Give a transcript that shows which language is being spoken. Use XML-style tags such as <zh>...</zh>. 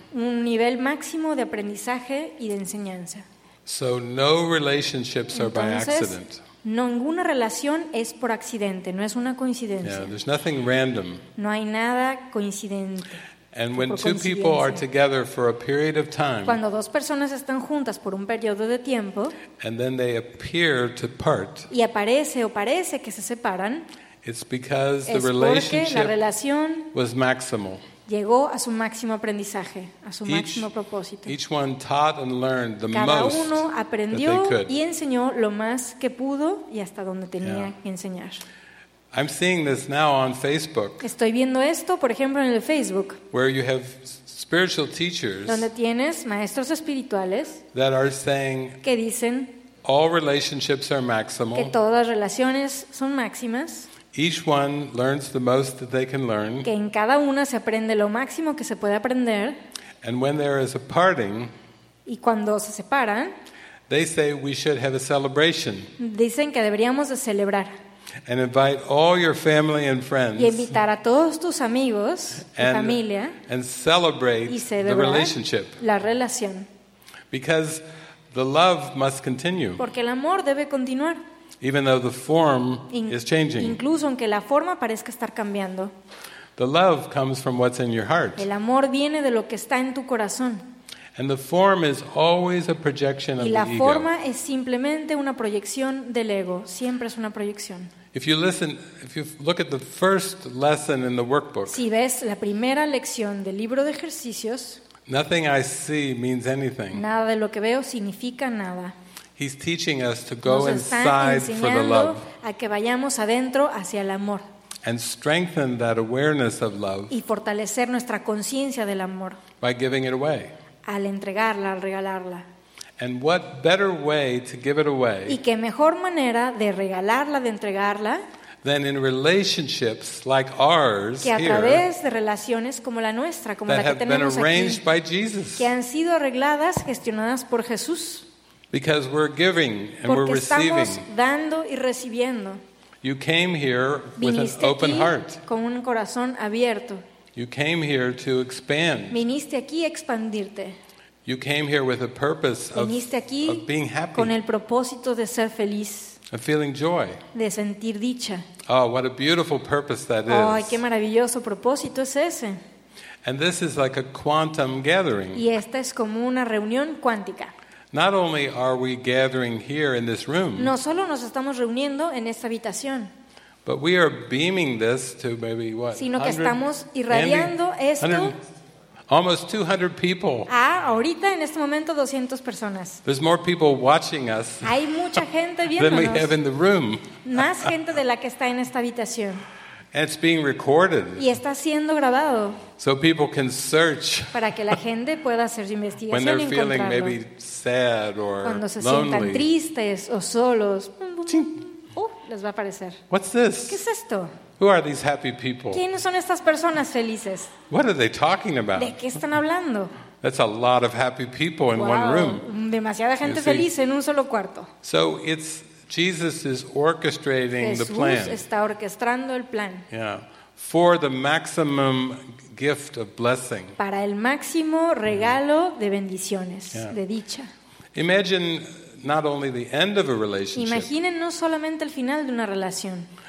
<es>un nivel máximo de aprendizaje y de enseñanza.</es> <en>So no relationships</en> <es>entonces,</es> <en>are by accident.</en> <es>Ninguna relación es por accidente, no es una coincidencia.</es> <en>Yeah, there's nothing random.</en> <es>No hay nada coincidente.</es> <en>And when two people are together for a period of time,</en> <es>cuando dos personas están juntas por un periodo de tiempo,</es> <en>and then they appear to part,</en> <es>y aparece o parece que se separan,</es> <en>it's because</en> <es>es</es> <en>the relationship</en> <es>la relación</es> <en>was maximal.</en> <es>Llegó a su máximo aprendizaje, a su máximo propósito.</es> <en>Each one taught and learned the</en> <es>cada</es> <en>most</en> <es>uno aprendió y enseñó lo más que pudo y hasta donde tenía que enseñar.</es> <en>I'm seeing this now on Facebook,</en> <es>estoy viendo esto, por ejemplo, en el Facebook,</es> <en>where you have spiritual teachers,</en> <es>donde tienes maestros espirituales</es> <en>that are saying,</en> <es>que dicen</es> <en>all relationships are maximal,</en> <es>que todas las relaciones son máximas.</es> <en>Each one learns the most that they can learn.</en> <es>Que en cada una se aprende lo máximo que se puede aprender.</es> <en>And when there is a parting,</en> <es>y cuando se separan,</es> <en>They say we should have a celebration.</en> <es>Dicen que deberíamos de celebrar.</es> <en>And invite all your family and friends.</en> <es>Y invitar a todos tus amigos y familia.</es> <en>And celebrate the relationship.</en> <es>La relación.</es> <en>Because the love must continue.</en> <es>Porque el amor debe continuar.</es> <en>Even though the form is changing.</en> <es>Incluso aunque la forma parezca estar cambiando.</es> <en>The love comes from what's in your heart.</en> <es>El amor viene de lo que está en tu corazón.</es> <en>And the form is always a projection of the ego.</en> <es>Y la forma es simplemente una proyección del ego. Siempre es una proyección.</es> <en>If you listen, if you look at the first lesson in the workbook.</en> <es>Si ves la primera lección del libro de ejercicios.</es> <en>Nothing I see means anything.</en> <es>Nada de lo que veo significa nada.</es> <en>He's teaching us to go inside for the love.</en> <es>Nos está enseñando a que vayamos adentro hacia el amor.</es> <en>And strengthen that awareness of love.</en> <es>Y fortalecer nuestra conciencia del amor.</es> <en>By giving it away.</en> <es>Al entregarla, al regalarla.</es> <en>And what better way to give it away?</en> <es>Y qué mejor manera de regalarla, de entregarla?</es> <en>Than in relationships like ours here.</en> <es>Que a través de relaciones como la nuestra, como la que tenemos aquí.</es> <en>That have been arranged by Jesus.</en> <es>Que han sido arregladas, gestionadas por Jesús.</es> <en>Because we're giving and</en> <es>Porque</es> <en>we're receiving.</en> <es>Porque estamos dando y recibiendo.</es> <en>You came here with</en> <es>Viniste</es> <en>an open heart.</en> <es>Aquí con un corazón abierto.</es> <en>You came here to expand.</en> <es>Viniste aquí a expandirte.</es> <en>You came here with a purpose of being happy.</en> <es>Con el propósito de ser feliz.</es> <en>Of feeling joy.</en> <es>De sentir dicha.</es> <en>Oh, what a beautiful purpose that is.</en> <es>Ay, qué maravilloso propósito es ese.</es> <en>And this is like a quantum gathering.</en> <es>Y esta es como una reunión cuántica.</es> <en>Not only are we gathering here in this room.</en> <es>No solo nos estamos reuniendo en esta habitación.</es> <en>But we are beaming this to maybe what?</en> <es>Sino que estamos irradiando esto.</es> <en>Almost 200 people.</en> <es>Ah, ahorita en este momento 200 personas.</es> <en>There's more people watching us.</en> <es>Hay mucha gente viéndonos.</es> <en>Than we have in the room.</en> <es>Más gente de la que está en esta habitación.</es> <en>And it's being recorded.</en> <es>Y está siendo grabado.</es> <en>So people can search.</en> <es>Para que la gente pueda hacer su investigación</es> <en>when they're</en> <es>y encontrarlo.</es> <en>Feeling maybe sad or</en> <es>Cuando se</es> <en>lonely.</en> <es>Sientan tristes o solos. Les va a aparecer.</es> <en>What's this?</en> <es>¿Qué es esto?</es> <en>Who are these happy people?</en> <es>¿Quiénes son estas personas felices?</es> <en>What are they talking about?</en> <es>¿De qué están hablando?</es> <en>That's a lot of happy people in wow. one room.</en> <es>Demasiada gente</es> <en>you</en> <es>feliz</es> <en>see?</en> <es>En un solo cuarto.</es> <en>So it's Jesus is orchestrating</en> <es>Jesús</es> <en>the plan.</en> <es>Está orquestando el plan.</es> <en>Yeah. For the maximum gift of blessing.</en> <es>Para el máximo regalo mm-hmm. de bendiciones, yeah. de dicha.</es> <en>Imagine not only the end of a relationship.</en> <es>Imaginen no solamente el final de una relación.</es>